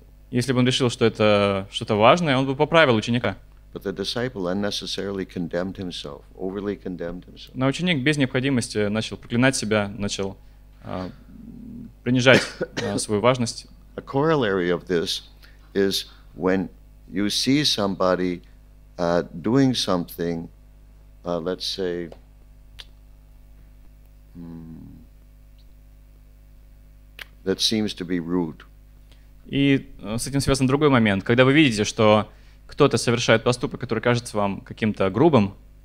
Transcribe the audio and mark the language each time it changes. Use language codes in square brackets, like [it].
[ru] Если бы он решил, что это что-то важное, он бы поправил ученика. [en] But the disciple unnecessarily condemned himself, overly condemned himself. [ru] Но ученик без необходимости начал проклинать себя, начал принижать свою важность. [en] A corollary of this is when you see somebody doing something, let's say, that seems to be rude. [ru] И с этим связан другой момент. Когда вы видите, что кто-то совершает поступок, который кажется вам каким-то грубым.